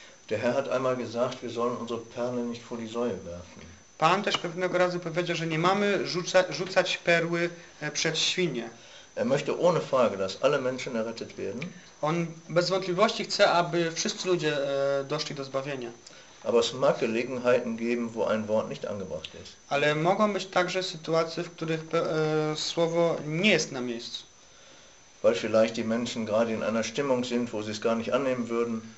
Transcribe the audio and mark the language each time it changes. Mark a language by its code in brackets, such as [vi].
[de] Der Herr hat einmal gesagt, wir sollen unsere Perlen nicht vor die Säue werfen. [pl] Pan też pewnego razu powiedział, że nie mamy rzucać perły przed świnie. [de] Er möchte ohne Frage, dass alle Menschen errettet werden. [pl] On bez wątpliwości chce, aby wszyscy ludzie doszli do zbawienia. [de] Aber es mag Gelegenheiten geben, wo ein Wort nicht angebracht ist. [pl] Ale mogą być także sytuacje, w których słowo nie jest na miejscu. [de] Weil vielleicht die Menschen gerade in einer Stimmung sind, wo sie es gar nicht annehmen würden.